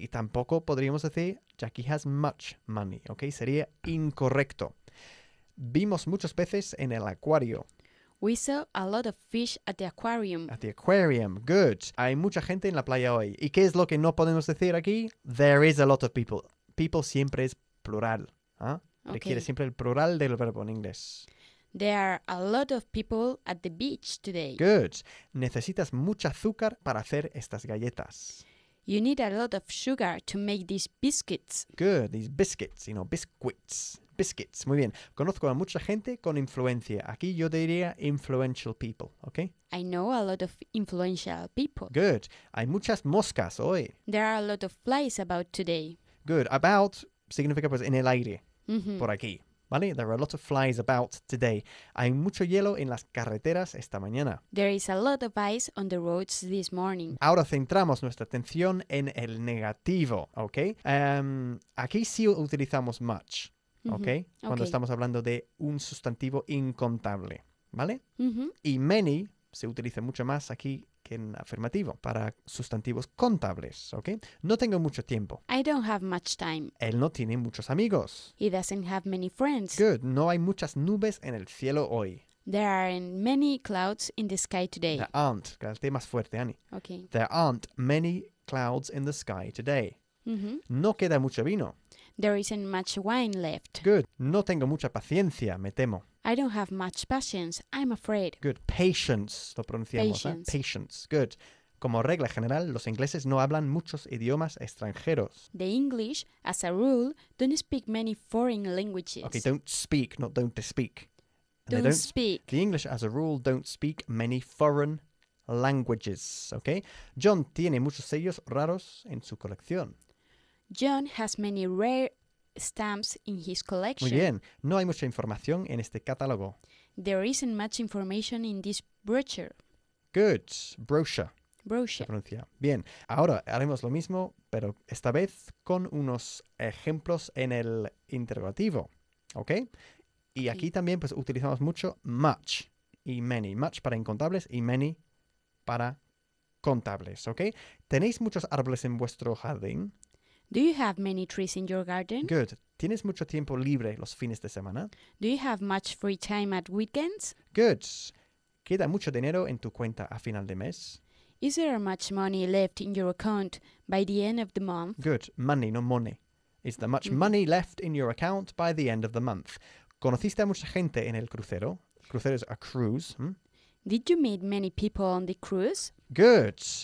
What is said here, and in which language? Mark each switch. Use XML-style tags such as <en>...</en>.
<es>Y tampoco podríamos decir</es> <en>Jackie has much money,</en> <es>¿ok? Sería incorrecto. Vimos muchos peces en el acuario.</es> <en>We saw a lot of fish at the aquarium. At the aquarium, good.</en> <es>Hay mucha gente en la playa hoy. ¿Y qué es lo que no podemos decir aquí?</es> <en>There is a lot of people. People</en> <es>siempre es plural.</es> <en>¿Eh? Okay.</en> <es>Requiere siempre el plural del verbo en inglés.</es> <en>There are a lot of people at the beach today.</en> <es>Good. Necesitas mucha azúcar para hacer estas galletas.</es> <en>You need a lot of sugar to make these biscuits. Good. These biscuits, you know, biscuits. Biscuits.</en> <es>Muy bien. Conozco a mucha gente con influencia. Aquí yo diría</es> <en>influential people,</en> <es>¿ok?</es> <en>I know a lot of influential people.</en> <es>Good. Hay muchas moscas hoy.</es> <en>There are a lot of flies about today.</en> <es>Good. About significa pues en el aire, mm-hmm. Por aquí, ¿vale?</es> <en>There are a lot of flies about today.</en> <es>Hay mucho hielo en las carreteras esta mañana.</es> <en>There is a lot of ice on the roads this morning.</en> <es>Ahora centramos nuestra atención en el negativo, ¿ok? Aquí sí utilizamos much. Okay?</es> <en>Okay.</en> <es>Cuando estamos hablando de un sustantivo incontable, ¿vale? Mm-hmm. Y many se utiliza mucho más aquí que en afirmativo, para sustantivos contables, ¿ok? No tengo mucho tiempo.</es> <en>I don't have much time.</en> <es>Él no tiene muchos amigos.</es> <en>He doesn't have many friends.</en> <es>Good, no hay muchas nubes en el cielo hoy.</es> <en>There aren't many clouds in the sky today. There aren't,</en> <es>que es el tema más fuerte, Annie.</es> <en>Okay. There aren't many clouds in the sky today. Mm-hmm.</en> <es>No queda mucho vino.</es> <en>There isn't much wine left.</en> <es>Good. No tengo mucha paciencia, me temo.</es> <en>I don't have much patience, I'm afraid. Good. Patience,</en> <es>lo pronunciamos.</es> <en>Patience. ¿Eh? Patience. Good.</en> <es>Como regla general, los ingleses no hablan muchos idiomas extranjeros.</es> <en>The English, as a rule, don't speak many foreign languages. Okay, don't speak, not don't speak. And don't speak. The English, as a rule, don't speak many foreign languages, okay?</en> <es>John tiene muchos sellos raros en su colección.</es> <en>John has many rare stamps in his collection.</en> <es>Muy bien. No hay mucha información en este catálogo.</es> <en>There isn't much information in this brochure. Good. Brochure. Brochure.</en> <es>Se pronuncia. Bien. Ahora haremos lo mismo, pero esta vez con unos ejemplos en el interrogativo, okay? Y aquí también pues utilizamos mucho much y many. Much para incontables y many para contables, ¿ok? ¿Tenéis muchos árboles en vuestro jardín?</es> <en>Do you have many trees in your garden? Good.</en> <es>¿Tienes mucho tiempo libre los fines de semana?</es> <en>Do you have much free time at weekends? Good.</en> <es>¿Queda mucho dinero en tu cuenta a final de mes?</es> <en>Is there much money left in your account by the end of the month? Good. Money, no money. Is there much money left in your account by the end of the month?</en> <es>¿Conociste a mucha gente en el crucero? Crucero</es> <en>is a cruise.</en> <es>Hmm?</es> <en>Did you meet many people on the cruise? Good.</en>